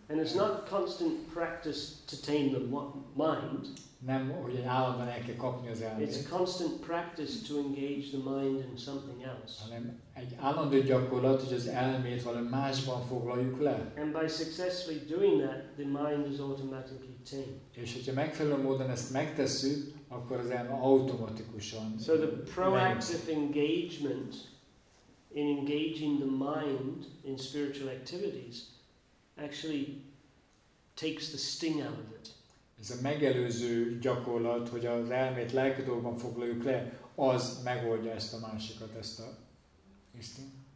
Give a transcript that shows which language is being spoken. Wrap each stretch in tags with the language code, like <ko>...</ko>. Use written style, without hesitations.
<en>And it's not constant practice to tame the mind.</en> <hu>Nem, hogy állandóan el kell kapni az elmét.</hu> <en>It's constant practice to engage the mind in something else.</en> <hu>Hanem egy állandó gyakorlat, hogy az elmét valami másban foglaljuk le.</hu> <en>And by successfully doing that, the mind is automatically tamed.</en> <hu>És hogyha megfelelő módon ezt megtesszük, akkor az elme automatikusan.</hu> <en>So the proactive engagement in engaging the mind in spiritual activities actually takes the sting out of it.</en> <hu>Ez a megelőző gyakorlat, hogy az elmét lelki dolgokban foglaljuk le, az megoldja ezt a másikat, ezt a sting.</hu>